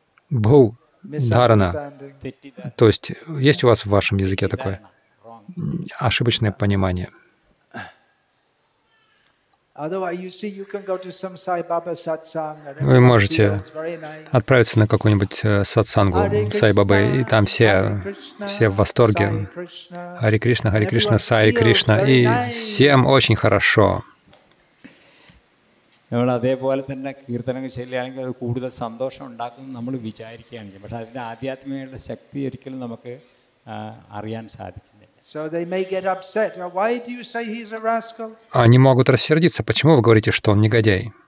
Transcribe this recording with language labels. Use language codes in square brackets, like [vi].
[ru] Бхул Дхарана. То есть есть у вас в вашем языке такое ошибочное понимание? [en] Otherwise, you see, you can go to some Sai Baba satsang. [ru] Вы можете отправиться на какую-нибудь сатсангу Сай Бабы, и там все в восторге. Хари Кришна, Хари Кришна, Сай Кришна, и всем очень хорошо. [ml] നമ്മൾ അതേപോലെ തന്നെ കീർത്തനങ്ങൾ ചെയ്യുകയാണെങ്കിൽ അത് കൂടുതൽ സന്തോഷം ഉണ്ടാക്കും എന്ന് നമ്മൾ വിചാരിക്കുകയാണെങ്കിൽ, പക്ഷെ അതിൻ്റെ ആധ്യാത്മികളുടെ ശക്തി ഒരിക്കലും നമുക്ക് അറിയാൻ സാധിക്കും. [en] So they may get upset. Why do you say he's a rascal? [ru] Они могут рассердиться. Почему вы говорите, что он негодяй?